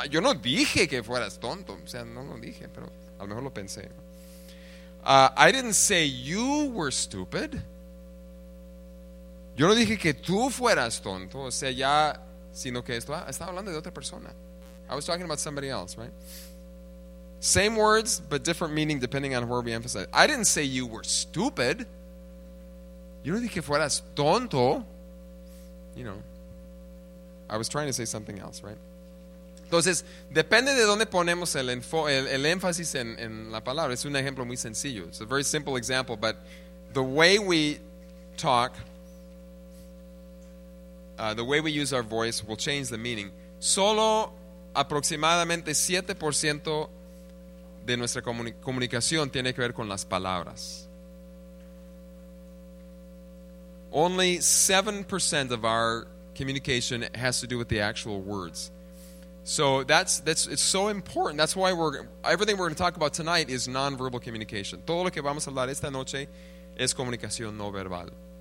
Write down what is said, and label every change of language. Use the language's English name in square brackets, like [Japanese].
[Spanish] Yo no dije que fueras tonto. O sea, no lo dije, pero a lo mejor lo pensé. [English] I didn't say you were stupid. [Spanish] Yo no dije que tú fueras tonto. O sea, ya, sino que esto, estaba hablando de otra persona. [English] I was talking about somebody else, right? Same words, but different meaning depending on where we emphasize. I didn't say you were stupid. [Spanish] Yo no dije que fueras tonto. [English] You know, I was trying to say something else, right? [Spanish] Entonces, depende de dónde ponemos el énfasis en la palabra. Es un ejemplo muy sencillo. [English] It's a very simple example, but the way we talk, the way we use our voice will change the meaning. [Spanish] Solo aproximadamente 7% de nuestra comunicación tiene que ver con las palabras. [English] Only 7% of our communication has to do with the actual words. So that's it's so important. That's why everything we're going to talk about tonight is nonverbal communication. [Spanish] Todo lo que vamos a hablar esta noche es comunicación no verbal.